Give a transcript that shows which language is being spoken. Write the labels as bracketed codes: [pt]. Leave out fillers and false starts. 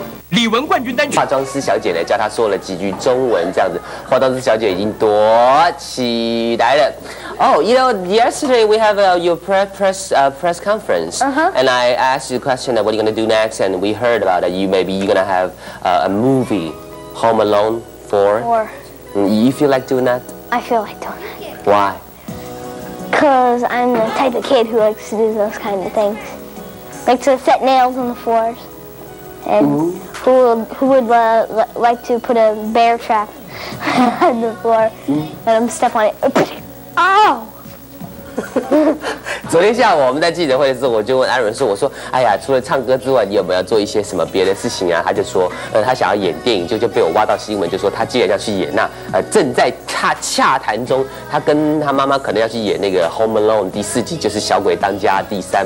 [zh] 语文冠军单曲，化妆师小姐呢叫她说了几句中文，这样子，化妆师小姐已经躲起来了。 [en] Oh, you know, yesterday we have your press conference,、 uh-huh. and I asked you a question that what you're gonna do next, and we heard about that you're gonna have a movie, Home Alone 4. You feel like doing that? I feel like doing that. Why? Because I'm the type of kid who likes to do those kind of things, like to set nails on the floors, and.、Mm-hmm. Who would like to put a bear trap on the floor? Let him step on it. Oh! [zh] 昨天下午我们在记者会的时候，我就问艾伦说：“我说，哎呀，除了唱歌之外，你有没有做一些什么别的事情啊？” 他就说：“他想要演电影，就被我挖到新闻，就说他既然要去演那，正在洽谈中，他跟他妈妈可能要去演那个《Home Alone》第四集，就是《小鬼当家》第三。